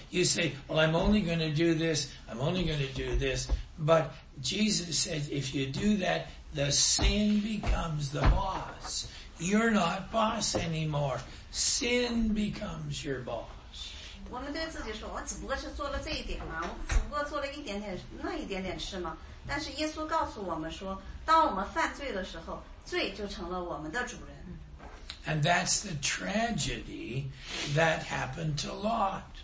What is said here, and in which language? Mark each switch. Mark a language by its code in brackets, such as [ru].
[en] You say, well, I'm only going to do this, I'm only going to do this. But Jesus said, if you do that, the sin becomes the boss. You're not boss anymore. Sin becomes your boss. [zh] 我们对自己说，我只不过是做了这一点嘛，我只不过做了一点点，那一点点事嘛。但是耶稣告诉我们说，当我们犯罪的时候，罪就成了我们的主人。 [en] And that's the tragedy that happened to Lot.